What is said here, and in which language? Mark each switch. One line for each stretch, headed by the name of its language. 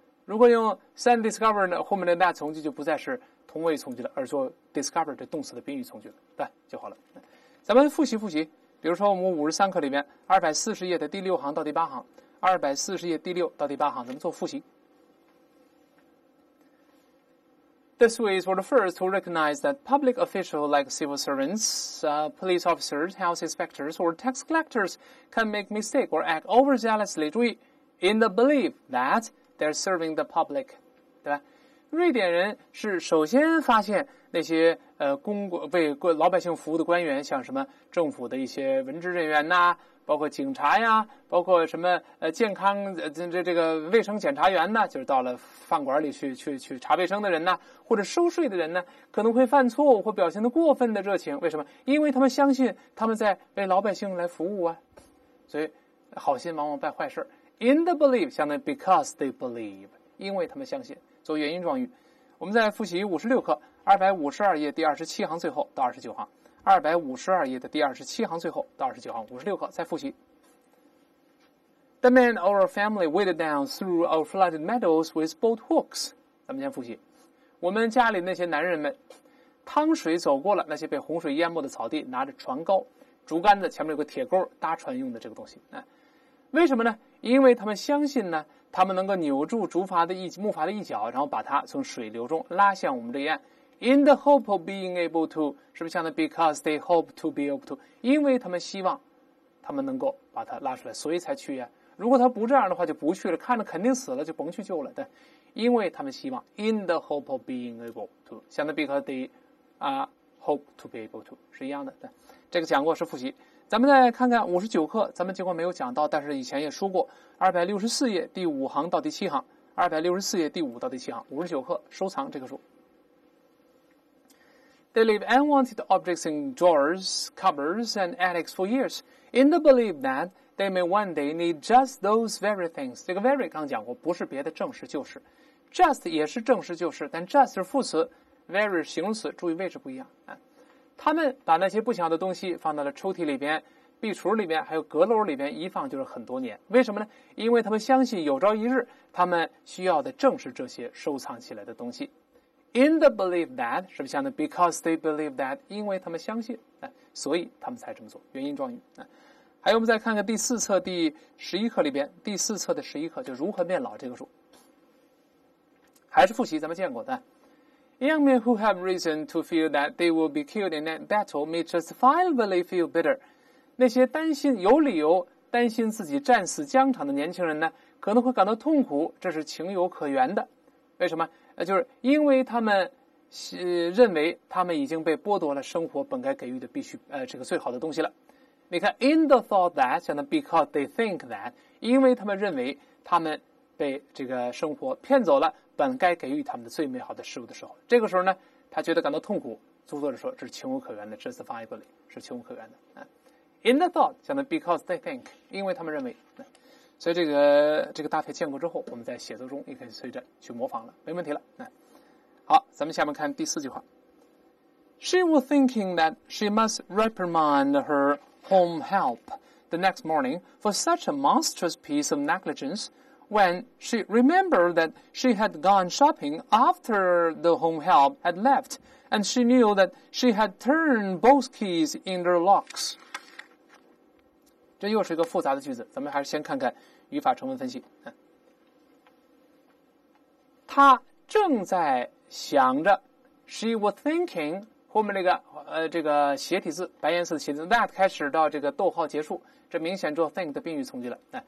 Chinese: 如果用
English: sudden discover
Chinese: 呢，后面的 that 从句就不再是同位从句了，而做 discover 的动词的宾语从句了，对就好了。咱们复习复习。比如说我们53课里面240页的第六行到第八行，240页第六到第八行咱们做复习。
English: The Swiss were the first to recognize that public officials like civil servants,police officers, health inspectors, or tax collectors can make mistakes or act overzealously in the belief that they're serving the public，
Chinese: 对吧？瑞典人是首先发现那些为老百姓服务的官员，像什么政府的一些文职人员呐，包括警察呀，包括什么健康这个卫生检查员呐，就是到了饭馆里去查卫生的人呐，或者收税的人呢，可能会犯错误或表现的过分的热情。为什么？因为他们相信他们在为老百姓来服务啊，所以好心往往办坏事。
English: In the belief
Chinese: 相当于
English: because they believe，
Chinese: 因为他们相信，做原因状语。我们再复习56课252页第27行最后到29行，252页的第27行最后到29行，56课再复习。
English: The man or a family waded down through our flooded meadows with boat hooks， 咱们先复习。
Chinese: 我们家里那些男人们趟水走过了那些被洪水淹没的草地，拿着船篙，竹竿子前面有个铁钩，搭船用的这个东西。为什么呢？因为他们相信呢，他们能够扭住木筏的一角，然后把它从水流中拉向我们这岸。
English: In the hope of being able to，
Chinese: 是不是相当于
English: because they hope to be able to，
Chinese: 因为他们希望他们能够把它拉出来，所以才去呀。如果他不这样的话就不去了，看着肯定死了就甭去救了。对，因为他们希望
English: in the hope of being able to，
Chinese: 相当于
English: because they hope to be able to，
Chinese: 是一样的。对，这个讲过是复习。咱们再看看59课，咱们尽管没有讲到，但是以前也说过，264页第5行到第7行，264页第5到第7行，59课收藏这个书。
English: They leave unwanted objects in drawers, cupboards, and attics for years, in the belief that they may one day need just those very things.
Chinese: 这个 very 刚讲过，不是别的，正是就是。Just 也是正是就是，但 just 是副词， very 是形容词，注意位置不一样。他们把那些不想的东西放到了抽屉里边，壁橱里面还有阁楼里面一放就是很多年。为什么呢？因为他们相信有朝一日他们需要的正是这些收藏起来的东西。
English: In the belief that
Chinese: 是不是像的
English: because they believe that，
Chinese: 因为他们相信，所以他们才这么做，原因状语。还有我们再看看第四册第十一课里边，第四册的十一课就如何变老这个书，还是复习咱们见过的。
English: Young men who have reason to feel that they will be killed in that battle may just finally feel bitter.
Chinese: 那些担心有理由担心自己战死疆场的年轻人呢，可能会感到痛苦，这是情有可原的。为什么？就是因为他们认为他们已经被剥夺了生活本该给予的必须这个最好的东西了。你看 ，
English: in the thought that，
Chinese: 相当于
English: because they think that，
Chinese: 因为他们认为他们被这个生活骗走了本该给予他们的最美好的事物的时候，这个时候呢他觉得感到痛苦，作者说这是情有可原的， justifiably 是情有可原的。
English: In the thought
Chinese: 相当于
English: because they think，
Chinese: 因为他们认为，所以这个搭配见过之后，我们在写作中也可以随着去模仿了，没问题了。好，咱们下面看第四句话。
English: She was thinking that she must reprimand her home help the next morning for such a monstrous piece of negligenceWhen she remembered that she had gone shopping after the home help had left, and she knew that she had turned both keys in their locks.
Chinese: 这又是一个复杂的句子，咱们还是先看看语法成分分析。她正在想着 ，
English: she was thinking，
Chinese: 后面这个斜体字，白颜色的斜体字 that 开始到这个逗号结束，这明显做 think 的宾语从句了。